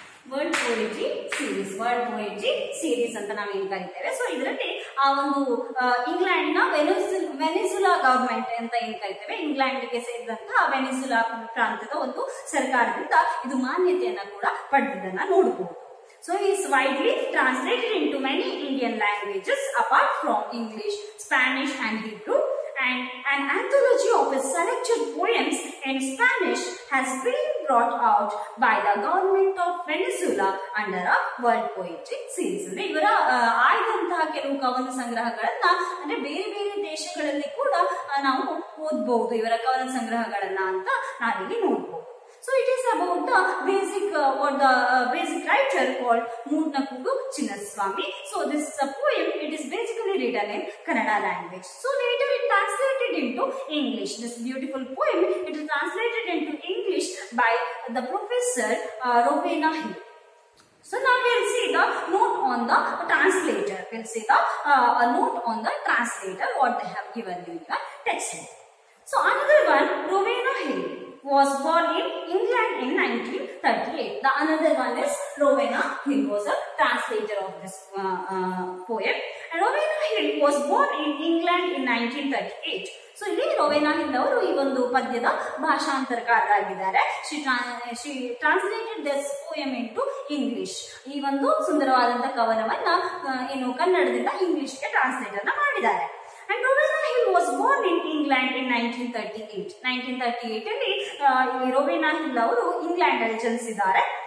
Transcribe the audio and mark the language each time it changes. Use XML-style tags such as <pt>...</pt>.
<kn>World Poetry Series ಅಂತ ನಾವು ಏನ್ ಕರಿತೇವೆ. ಸೊ ಇದರಲ್ಲಿ ಆ ಒಂದು ಇಂಗ್ಲೆಂಡ್ ನ ವೆನೆಜುಲಾ ಗವರ್ಮೆಂಟ್ ಅಂತ ಏನ್ ಕರಿತೇವೆ, ಇಂಗ್ಲೆಂಡ್ ಗೆ ಸೇರಿದಂತಹ ವೆನೆಜುಲಾ ಪ್ರಾಂತ್ಯದ ಒಂದು ಸರ್ಕಾರದಿಂದ ಇದು ಮಾನ್ಯತೆಯನ್ನ ಕೂಡ ಪಡೆದಿದ್ದನ್ನ ನೋಡಬಹುದು.</kn> <en>So he is widely translated into many Indian languages apart from English, Spanish and Hebrew. And an anthology of his selected poems in Spanish has been brought out by the government of Venezuela under a World Poetry Series.</en> <kn>ಅಂದ್ರೆ ಇವರ ಆಯ್ದಂತಹ ಕೆಲವು ಕವನ ಸಂಗ್ರಹಗಳನ್ನ ಅಂದ್ರೆ ಬೇರೆ ಬೇರೆ ದೇಶಗಳಲ್ಲಿ ಕೂಡ ನಾವು ಓದಬಹುದು ಇವರ ಕವನ ಸಂಗ್ರಹಗಳನ್ನ ಅಂತ ನಾವಿಲ್ಲಿ ನೋಡಬಹುದು.</kn> <en>So it is about the basic or the basic writer called Moodnakoodu Chinnaswamy. So this is a poem, it is basically written in Kannada language. So later it translated into English. This beautiful poem, it is translated into English by the professor Rowena Hill. So now we'll see the note on the translator. We'll see the note on the translator what they have given you in the textbook. So another one, Rowena Hill was born in England in 1938. The another one is Rowena Hill was a translator of this poem. And Rowena Hill was born in England in 1938.</en> <kn>So ಇಲ್ಲಿ ರೋವೇನಾ hill ಅವರು ಈ ಒಂದು ಪದ್ಯದ ಭಾಷಾಂತರಕಾರರಾಗಿದ್ದಾರೆ.</kn> <en>She translated this poem into English.</en> <kn>ಈ ಒಂದು ಸುಂದರವಾದಂತಹ ಕವನವನ್ನ ಏನು ಕನ್ನಡದಿಂದ ಇಂಗ್ಲಿಷ್ಗೆ ಟ್ರಾನ್ಸ್ಲೇಟ್ ಅನ್ನ ಮಾಡಿದ್ದಾರೆ.</kn> <en>and Rowena Hill was born in England in 1938</en> <kn>ಅಲ್ಲಿ ರೋವೇನಾ ಹಿಲ್ ಅವರು ಇಂಗ್ಲೆಂಡ್ ಅಲ್ಲಿ ಜನಿಸಿದ್ದಾರೆ.</kn>